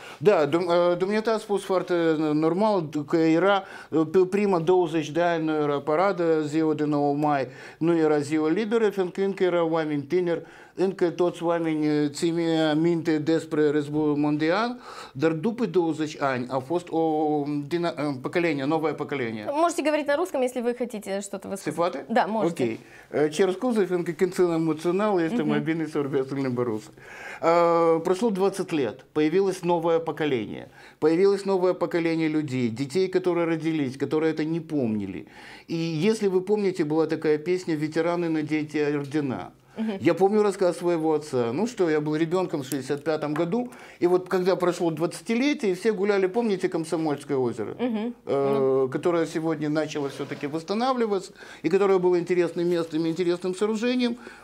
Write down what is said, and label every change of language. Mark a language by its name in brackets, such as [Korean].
[Romanian] Da, dumneata a spus foarte normal că era pe prima 20 de ani, nu era paradă, ziua de 9 mai nu era ziua liberă, fiindcă încă era oameni tineri, încă toți oamenii țin minte despre războiul mondial, dar după 20 ani a fost o [Russian] poколение, nouă poколение. Можете говорить на русском, если вы хотите что-то высказать. [Romanian] Se poate? [Russian] Da, можете. [English] Okay. [Romanian] Cer scuze, fiindcă când sunt emoțional, este mai bine să vorbesc în limba rusă. [Russian] Прошло 20 лет, появилось новое поколение. Появилось новое поколение людей, детей, которые родились, которые это не помнили. И если вы помните, была такая песня «Ветераны, надейте ордена». Я помню рассказ своего отца. Ну что, я был ребенком в 65-м году, и вот когда прошло 20-летие, все гуляли, помните, Комсомольское озеро, которое сегодня начало все-таки восстанавливаться, и которое было интересным местом и интересным сооружением.